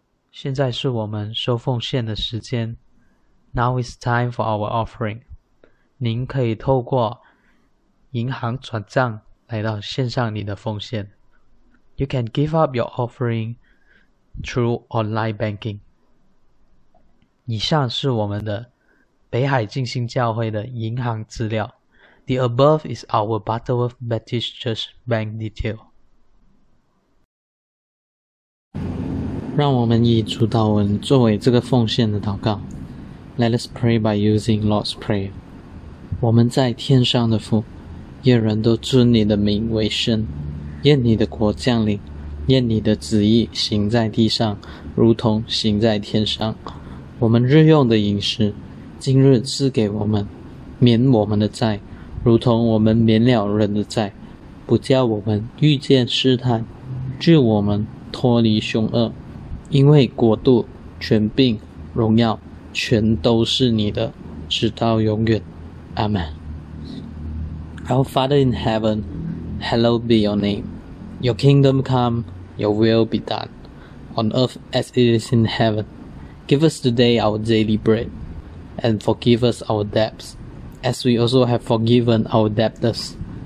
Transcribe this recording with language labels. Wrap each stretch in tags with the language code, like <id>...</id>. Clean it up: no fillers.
<zh>现在是我们收奉献的时间。</zh> <en>Now is time for our offering.</en> <zh>您可以透过银行转账来到线上你的奉献。</zh> <en>You can give up your offering through online banking.</en> <zh>以上是我们的北海浸信教会的银行资料。</zh> <en>The above is our Butterworth Baptist Church bank detail.</en> <zh>让我们以主祷文作为这个奉献的祷告。</zh> <en>Let us pray by using Lord's Prayer.</en> <zh>我们在天上的父，愿人都尊你的名为圣，愿你的国降临，愿你的旨意行在地上，如同行在天上。我们日用的饮食，今日赐给我们，免我们的债，如同我们免了人的债，不叫我们遇见试探，救我们脱离凶恶，因为国度、权柄、荣耀，全都是你的，直到永远。</zh> <en>Amen. Our Father in heaven, hallowed be your name. Your kingdom come, your will be done, on earth as it is in heaven. Give us today our daily bread, and forgive us our debts, as we also have forgiven our debtors.</en>